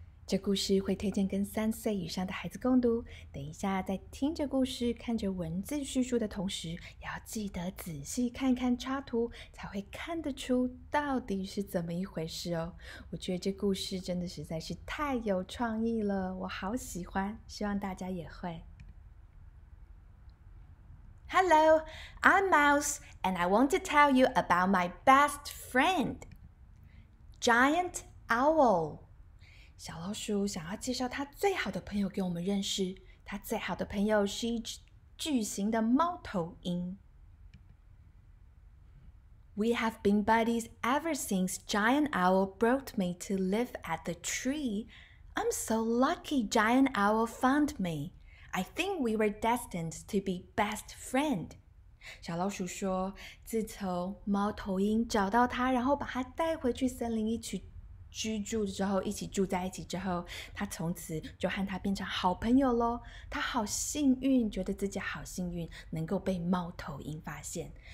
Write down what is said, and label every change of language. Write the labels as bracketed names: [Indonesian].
[Chinese] 这故事会推荐跟三岁以上的孩子共读。等一下，在听着故事、看着文字叙述的同时，也要记得仔细看看插图，才会看得出到底是怎么一回事哦。我觉得这故事真的实在是太有创意了，我好喜欢，希望大家也会。 [English] Hello, I'm Mouse, and I want to tell you about my best friend, Giant Owl. [Chinese] 小老鼠想要介绍他最好的朋友给我们认识。他最好的朋友是一只巨型的猫头鹰。 [English] We have been buddies ever since Giant Owl brought me to live at the tree. I'm so lucky Giant Owl found me. I think we were destined to be best friend. [Chinese] 小老鼠说，自从猫头鹰找到他，然后把他带回去森林一起居住之后，一起住在一起之后，他从此就和他变成好朋友咯。他好幸运，觉得自己好幸运能够被猫头鹰发现。